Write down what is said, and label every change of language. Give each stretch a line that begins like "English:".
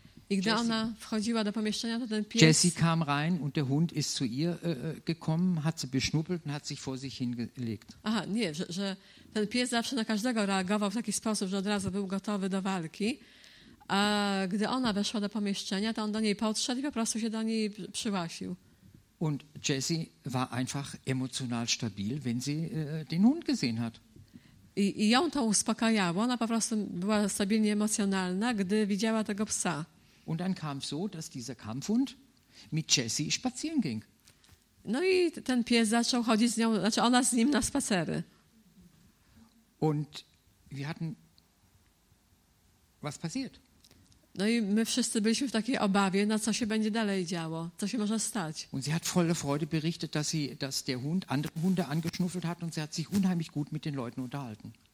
Polish: I gdy ona wchodziła do pomieszczenia, to ten pies...
German: Jessie kam rein und der Hund ist zu ihr gekommen, hat sie beschnuppelt und hat sich vor sich hingelegt.
Polish: Aha, nie, że ten pies zawsze na każdego reagował w taki sposób, że od razu był gotowy do walki. A gdy ona weszła do pomieszczenia, to on do niej podszedł i po prostu się do niej przyłasił.
German: Und Jessie war einfach emotional stabil, wenn sie den Hund gesehen hat.
Polish: I ją to uspokajało. Ona po prostu była stabilnie emocjonalna, gdy widziała tego psa.
German: Und dann kam so, dass dieser Kampfhund mit Jessie spazieren ging.
Polish: No i ten pies zaczął chodzić z nią, znaczy ona z nim na spacery.
German: Und wir hatten, was passiert?
Polish: No i my wszyscy byliśmy w takiej obawie, na co się będzie dalej działo, co się może stać.
German: Und sie hat voller Freude berichtet, dass der Hund andere Hunde angeschnuffelt hat und sie hat sich unheimlich gut mit den Leuten unterhalten.